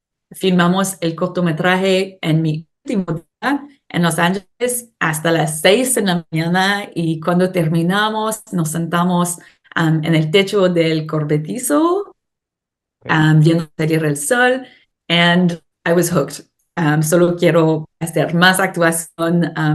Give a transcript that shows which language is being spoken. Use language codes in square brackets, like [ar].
[es] Filmamos el cortometraje en mi último día en Los Ángeles hasta las 6 de la mañana y cuando terminamos nos sentamos en el techo del cobertizo, Okay. viendo salir el sol, [en] and I was hooked. [es] Solo quiero hacer más actuación.